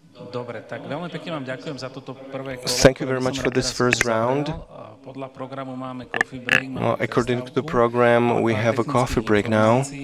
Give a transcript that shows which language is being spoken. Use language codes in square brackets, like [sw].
[sk] Dobre, tak veľmi pekne vám ďakujem za toto prvé kolo. [en] Thank you very much for this first round. [sk] Podľa programu máme coffee break. [en] According to the program, we have a coffee break now.